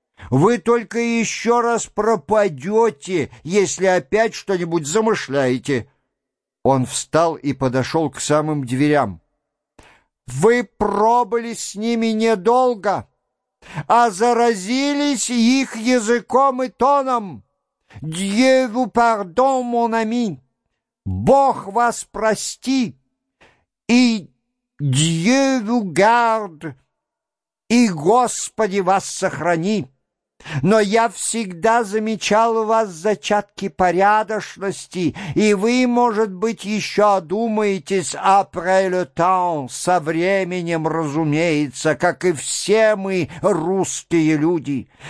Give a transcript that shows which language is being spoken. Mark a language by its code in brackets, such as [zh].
[ru] Вы только еще раз пропадете, если опять что-нибудь замышляете». Он встал и подошел к самым дверям. «Вы пробыли с ними недолго, а заразились их языком и тоном. [fr] Dieu vous pardonne, mon ami. [ru] Бог вас прости. И [fr] Dieu vous garde, [ru] и Господи вас сохрани. Но я всегда замечал у вас зачатки порядочности, и вы, может быть, еще одумаетесь, [fr] après le temps, [ru] со временем, разумеется, как и все мы, русские люди.